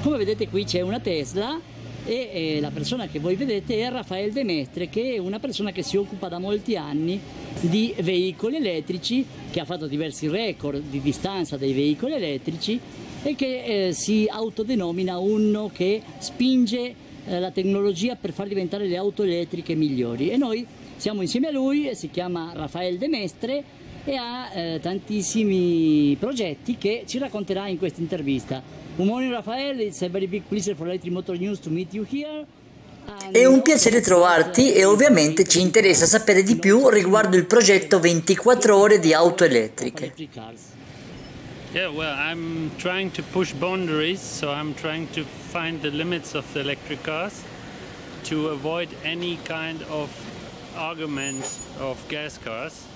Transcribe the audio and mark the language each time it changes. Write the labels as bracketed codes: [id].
[it] Come vedete qui c'è una Tesla e la persona che voi vedete è Raffaele Demestre, che è una persona che si occupa da molti anni di veicoli elettrici, che ha fatto diversi record di distanza dei veicoli elettrici e che si autodenomina uno che spinge la tecnologia per far diventare le auto elettriche migliori. E noi siamo insieme a lui, si chiama Raffaele Demestre e ha tantissimi progetti che ci racconterà in questa intervista. [en] Good morning, Raffaele. It's a very big pleasure for Electric Motor News to meet you here. [it] È un piacere trovarti e ovviamente ci interessa sapere di più riguardo il progetto 24 ore di auto elettriche. [en] Yeah, well, I'm trying to push boundaries, so I'm trying to find the limits of the electric cars to avoid any kind of argument of gas cars.